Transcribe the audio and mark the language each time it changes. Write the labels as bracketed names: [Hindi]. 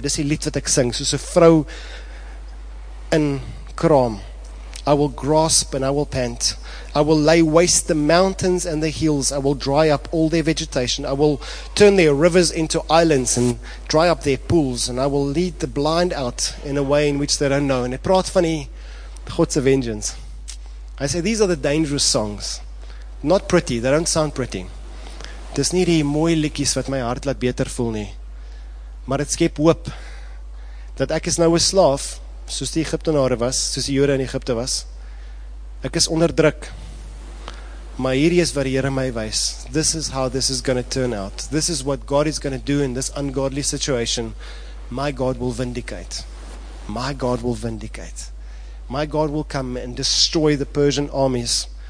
[Afrikaans] Dis die lied wat ek sing, soos 'n vrou in kraam. [English] I will grasp and I will pant. I will lay waste the mountains and the hills. I will dry up all their vegetation. I will turn their rivers into islands and dry up their pools. And I will lead the blind out in a way in which they don't know. [Afrikaans] En het praat van die Godse vengeance. [English] I say, these are the dangerous songs. Not pretty, they don't sound pretty. [Afrikaans] Dis nie die mooie liedjies wat my hart laat beter voel nie. Maar het skep hoop dat ek is nou 'n slaaf, soos die Egiptenare was, soos die Jode in Egipte was. Ek is onderdruk. Maar hierdie is wat die Here my wys. [English] This is how this is going to turn out. This is what God is going to do in this ungodly situation. My God will vindicate. My God will vindicate. My God will come and destroy the Persian armies.